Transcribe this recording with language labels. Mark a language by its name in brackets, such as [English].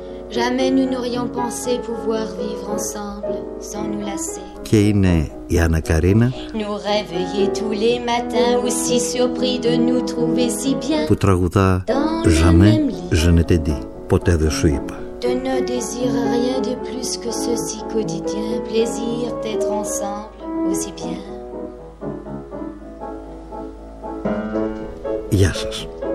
[French] Jamais nous n'aurions pensé pouvoir vivre ensemble sans nous lasser. [Greek] Και είναι η Άννα Καρίνα, [French] nous réveiller tous les matins aussi surpris de nous trouver si bien. [Greek] Που τραγουδά [French] jamais je ne t'ai dit, [Greek] ποτέ δεν σου είπα. [French] De ne désire rien de plus que ce si quotidien plaisir d'être ensemble aussi bien. [Greek] Γεια σας.